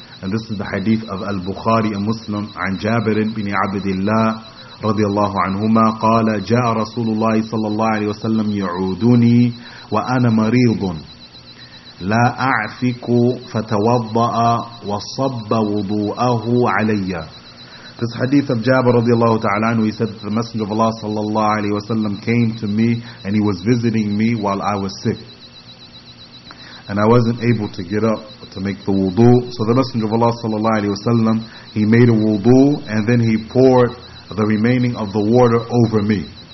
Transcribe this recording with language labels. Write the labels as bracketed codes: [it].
[en] And this is the hadith of Al-Bukhari and Muslim. [ar] عن جابر بن عبد الله رضي الله عنهما قال جاء رسول الله صلى الله عليه وسلم يعودني وأنا مريض لا أعفك فتوضأ وصب وضوءه علي. [en] This hadith of Jabir رضي الله تعالى عنه, he said that the Messenger of Allah صلى الله عليه وسلم came to me and he was visiting me while I was sick, and I wasn't able to get up to make the wudu. So the Messenger of Allah sallallahu alayhi wa sallam, he made a wudu and then he poured the remaining of the water over me.